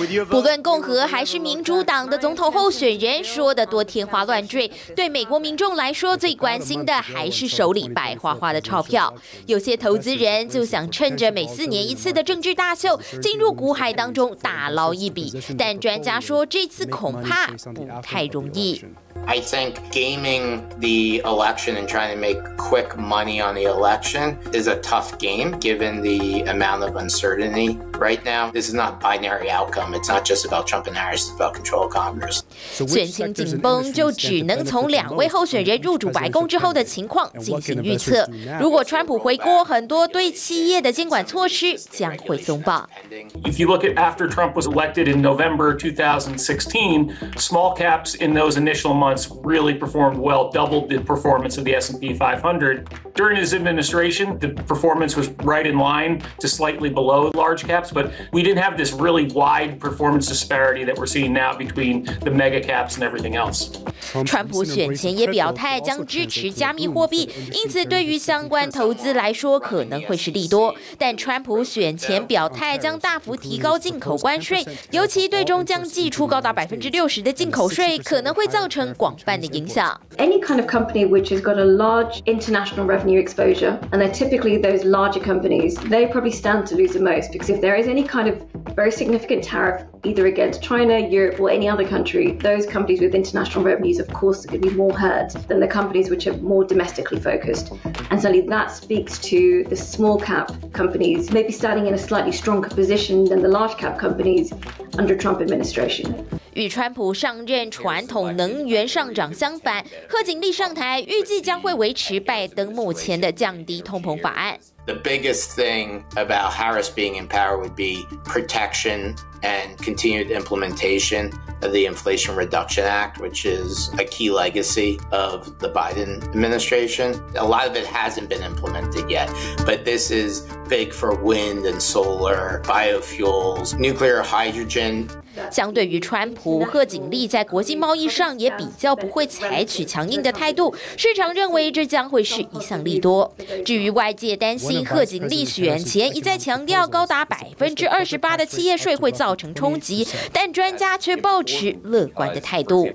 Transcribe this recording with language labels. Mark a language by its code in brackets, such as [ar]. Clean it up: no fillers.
[zh] 不论共和还是民主党的总统候选人说的多天花乱坠，对美国民众来说最关心的还是手里白花花的钞票。有些投资人就想趁着每四年一次的政治大秀进入股海当中大捞一笔，但专家说这次恐怕不太容易。 [en] I think gaming the election and trying to make quick money on the election is a tough game given the amount of uncertainty right now. This is not a binary outcome. It's not just about Trump and Harris. It's about control of Congress. [zh] 选情紧绷，就只能从两位候选人入主白宫之后的情况进行预测。如果川普回锅，很多对企业的监管措施将会松绑。 [en] If you look at after Trump was elected in November 2016, small caps in those initial months really performed well, doubled the performance of the S&P 500. During his administration, the performance was right in line to slightly below large caps, but we didn't have this really wide performance disparity that we're seeing now between the mega caps and everything else. [zh] 川普选前也表态将支持加密货币，因此对于相关投资来说可能会是利多。但川普选前表态将大幅提高进口关税，尤其对中将寄出高达60%的进口税，可能会造成广泛的影响。 [en] Any kind of company which has got a large international revenue exposure, and they're typically those larger companies, they probably stand to lose the most because if there is any kind of very significant tariff either against China, Europe, or any other country, those companies with international revenues, of course, are going to be more hurt than the companies which are more domestically focused. And certainly that speaks to the small cap companies maybe standing in a slightly stronger position than the large cap companies under Trump administration. [zh] 与川普上任，传统能源上涨相反，贺锦丽上台预计将会维持拜登目前的降低通膨法案。 [en] The biggest thing about Harris being in power would be protection and continued implementation of the Inflation Reduction Act, which is a key legacy of the Biden administration. A lot of it hasn't been implemented yet, but this is big for wind and solar, biofuels, nuclear hydrogen. [zh] 相对于川普，贺锦丽在国际贸易上也比较不会采取强硬的态度，市场认为这将会是一项利多。至于外界担心贺锦丽选前一再强调高达28%的企业税会造成冲击，但专家却抱持乐观的态度。